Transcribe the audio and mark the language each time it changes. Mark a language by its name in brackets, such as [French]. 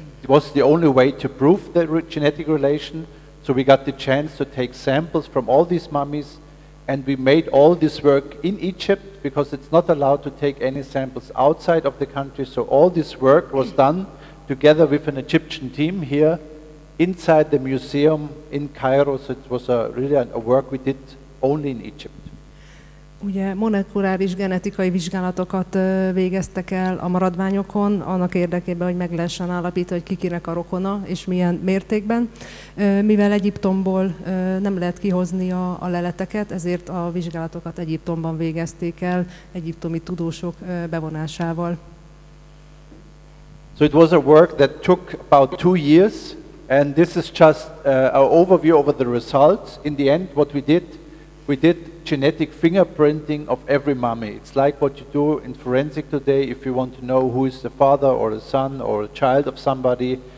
[English] It was the only way to prove the genetic relation. So we got the chance to take samples from all these mummies, and we made all this work in Egypt because it's not allowed to take any samples outside of the country. So all this work was done together with an Egyptian team here inside the museum in Cairo. So it was really a work we did only in Egypt. [Hungarian] Ugye molekuláris genetikai vizsgálatokat végeztek el a maradványokon, annak érdekében, hogy meg lehessen állapítani, hogy kikinek a rokona, és milyen mértékben. Mivel Egyiptomból nem lehet kihozni a leleteket, ezért a vizsgálatokat Egyiptomban végezték el, egyiptomi tudósok bevonásával. [English] So it was a work that took about 2 years, and this is just our overview over the results. In the end, what we did genetic fingerprinting of every mummy. It's like what you do in forensic today if you want to know who is the father or the son or a child of somebody.